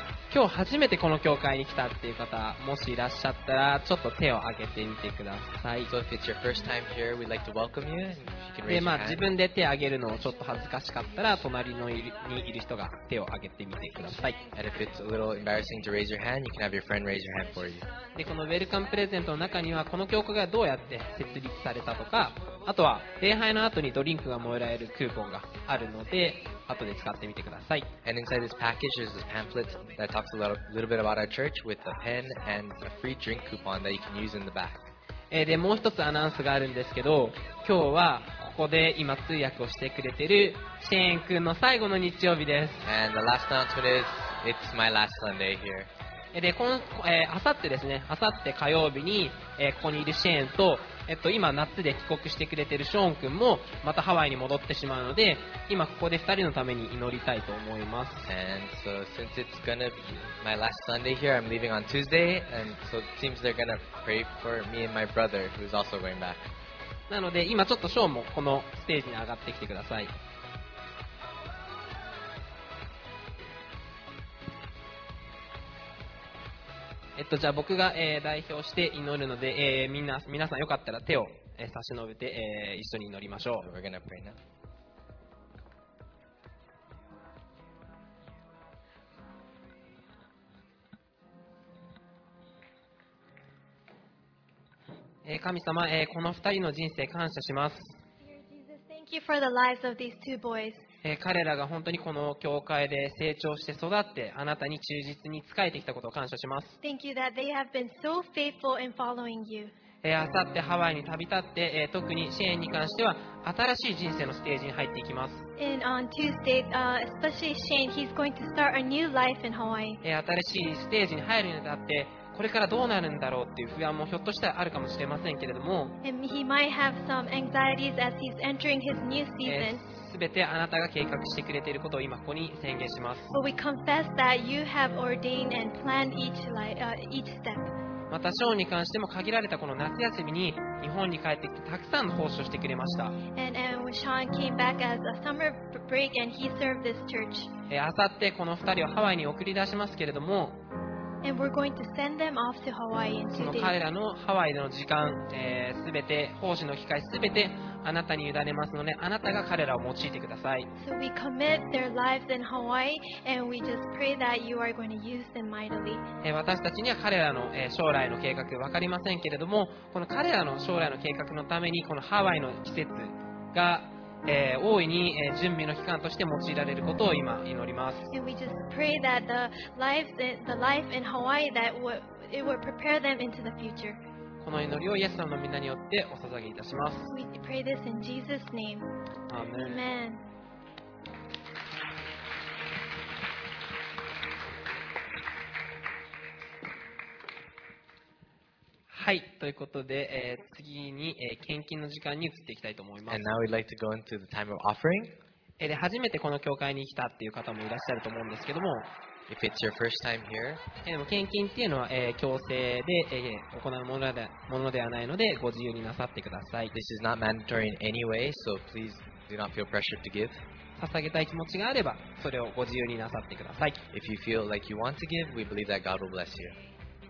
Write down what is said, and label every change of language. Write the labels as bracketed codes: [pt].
[ja] 今日初めてこの教会に来たっていう方もしいらっしゃったらちょっと手を挙げてみてください。 [en] So if it's your first time here, we'd like to welcome you. [ja] で、まあ自分で手を挙げるのをちょっと恥ずかしかったら隣のにいる人が手を挙げてみてください。 [en] And if it's a little embarrassing to raise your hand, you can have your friend raise your hand for you. [ja] で、このウェルカムプレゼントの中にはこの教会がどうやって設立されたとか、あとは礼拝の後にドリンクがもらえるクーポンがあるので後で使ってみてください。 [en] And inside this package is this pamphlet that talks a little bit about our church with a pen and a free drink coupon that you can use in the back. [ja] でもう一つアナウンスがあるんですけど、今日はここで今通訳をしてくれてるシェーン君の最後の日曜日です。 [en] And the last announcement is it's my last Sunday here. [ja] で、今、あさってですね、あさって火曜日に、ここにいるシェーンと、今夏で帰国してくれてるショーン君もまたハワイに戻ってしまうので、今ここで2人のために祈りたいと思います。 [en] And so since it's gonna be my last Sunday here, I'm leaving on Tuesday, and so it seems they're gonna pray for me and my brother who's also going back. [ja] なので今ちょっとショーンもこのステージに上がってきてください。じゃあ僕が、代表して祈るので、皆さんよかったら手を、差し伸べて、一緒に祈りましょう。 [en] We're gonna pray now. [ja] 神様、この二人の人生感謝します。 [en] Thank you for the lives of these two boys. [ja] 彼らが本当にこの教会で成長して育ってあなたに忠実に仕えてきたことを感謝します。 [en] Thank you that they have been so faithful in following you. [ja] 明後日ハワイに旅立って、特にシェーンに関しては新しい人生のステージに入っていきます。 [en] And on Tuesday, especially Shane, he's going to start a new life in Hawaii. [ja] 新しいステージに入るにあたってこれからどうなるんだろうっていう不安もひょっとしたらあるかもしれませんけれども、全てあなたが計画してくれていることを今ここに宣言します。 [en] But we confess that you have ordained and planned each step. [ja] またショーンに関しても限られたこの夏休みに日本に帰ってきてたくさんの奉仕をしてくれました。明後日この2人をハワイに送り出しますけれども、 [en] And we're going to send them off to Hawaii in 2 days. [ja] その彼らのハワイでの時間、すべて奉仕の機会すべてあなたに委ねますので、あなたが彼らを用いてください。 [en] So we commit their lives in Hawaii, and we just pray that you are going to use them mightily. [ja] 私たちには彼らの将来の計画わかりませんけれども、この彼らの将来の計画のためにこのハワイの季節が大いに準備の期間として用いられることを今祈ります。この祈りをイエス様のみんなによってお捧げいたします。アーメン。はい、ということで、次に、献金の時間に移っていきたいと思います。 [en] And now we'd like to go into the time of offering. [ja] で、初めてこの教会に来たっていう方もいらっしゃると思うんですけども、 [en] If it's your first time here, [ja] でも献金っていうのは、強制で、行うものではないので、ご自由になさってください。 [en] This is not mandatory in any way, so please do not feel pressured to give. [ja] 捧げたい気持ちがあれば、それをご自由になさってください。 [en] If you feel like you want to give, we believe that God will bless you.